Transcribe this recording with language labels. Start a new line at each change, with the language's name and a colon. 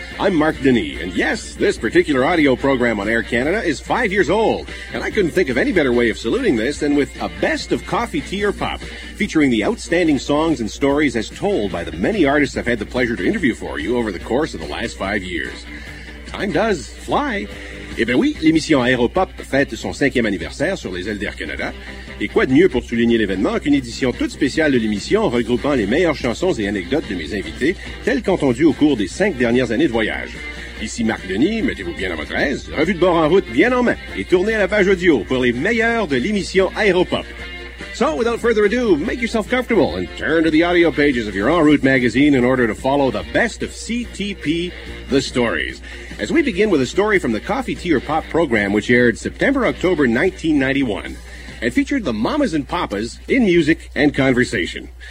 English: I'm Marc Denis, and yes, this particular audio program on Air Canada is 5 years old, and I couldn't think of any better way of saluting this than with a best of Coffee, Tea, or Pop, featuring the outstanding songs and stories as told by the many artists I've had the pleasure to interview for you over the course of the last 5 years. Time does fly.
French: Eh bien oui, l'émission Aéropop fête son cinquième anniversaire sur les ailes d'Air Canada. Et quoi de mieux pour souligner l'événement qu'une édition toute spéciale de l'émission regroupant les meilleures chansons et anecdotes de mes invités, telles qu'entendues au cours des 5 dernières années de voyage. Ici Marc Denis, mettez-vous bien à votre aise, revue de bord en route bien en main, et tournez à la page audio pour les meilleurs de l'émission Aéropop.
English: So, without further ado, make yourself comfortable and turn to the audio pages of your En Route magazine in order to follow the best of CTP, the stories. As we begin with a story from the Coffee, Tea, or Pop program, which aired September-October 1991, and featured the Mamas and Papas in music and conversation.